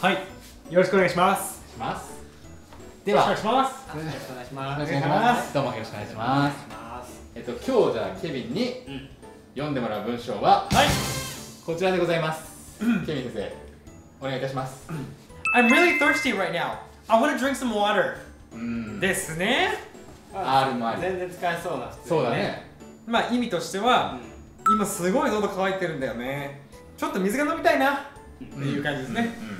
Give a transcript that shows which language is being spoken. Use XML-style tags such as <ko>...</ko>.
<ja>はい、よろしくお願いします。しま す, では、よろしくお願いします。どうもよろしくお願いします。今日じゃあケビンに読んでもらう文章は、はい、こちらでございます。ケビン先生、お願いいたします。</ja> <en>I'm really thirsty right now. I want to drink some water.</en> <ja>ですね。 R もある、全然使えそうな、ね、そうだね。まあ意味としては、うん、今すごい喉乾いてるんだよね、ちょっと水が飲みたいなっていう感じですね。</ja>